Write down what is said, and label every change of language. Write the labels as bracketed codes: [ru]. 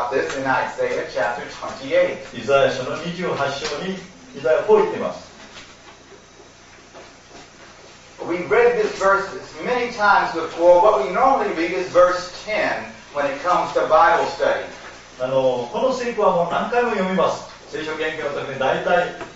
[en] talked about this in Isaiah chapter 28. [ja] イザヤ書の28章にイザヤはこう言っています。 [en] We read this verse many times before. What we normally read is verse 10 when it comes to Bible study. [ja] この聖句はもう何回も読みます。聖書研究の時に大体